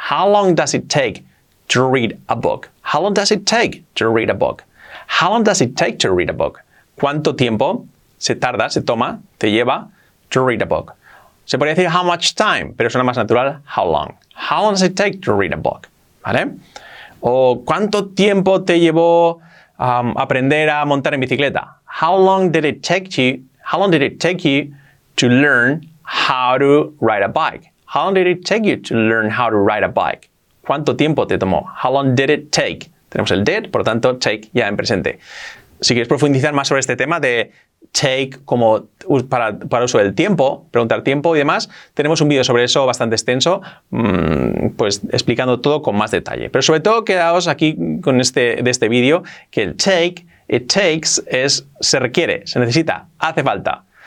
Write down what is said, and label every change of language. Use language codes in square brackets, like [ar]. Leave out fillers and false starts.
[en] How long does it take to read a book? How long does it take to read a book? How long does it take to read a book? [es] ¿Cuánto tiempo se tarda, se toma, te lleva [en] to read a book? [es] Se podría decir [en] how much time, [es] pero suena más natural [en] how long. How long does it take to read a book? [es] ¿Vale? O ¿cuánto tiempo te llevó aprender a montar en bicicleta? [en] How long did it take you? How long did it take you to learn how to ride a bike? How long did it take you to learn how to ride a bike? [es] ¿Cuánto tiempo te tomó? [en] How long did it take? [es] Tenemos el did, por lo tanto, take ya en presente. Si quieres profundizar más sobre este tema de take como para uso del tiempo, preguntar tiempo y demás, tenemos un vídeo sobre eso bastante extenso, pues explicando todo con más detalle. Pero sobre todo, quedaos aquí con este vídeo, que el take, it takes, es se requiere, se necesita, hace falta.